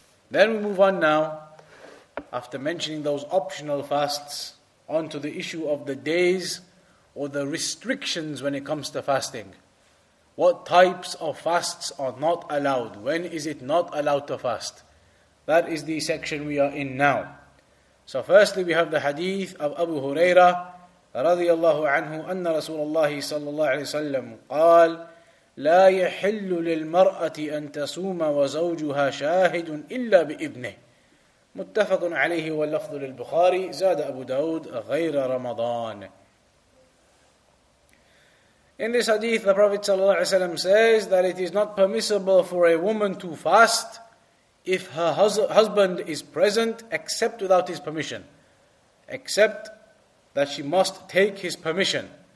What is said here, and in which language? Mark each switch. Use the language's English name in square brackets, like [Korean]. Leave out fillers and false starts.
[English] Then we move on now, after mentioning those optional fasts, onto the issue of the days or the restrictions when it comes to fasting. What types of fasts are not allowed? When is it not allowed to fast? That is the section we are in now. So firstly, we have the hadith of Abu Huraira [Arabic] رضي الله عنه أن رسول الله صلى الله عليه وسلم قال لا يحل للمرأة أن تصوم وزوجها شاهد إلا بإذنه متفق عليه واللفظ للبخاري زاد أبو داود غير رمضان. [English] In this hadith the Prophet صلى الله عليه وسلم says that it is not permissible for a woman to fast if her husband is present except without his permission, except that she must take his permission.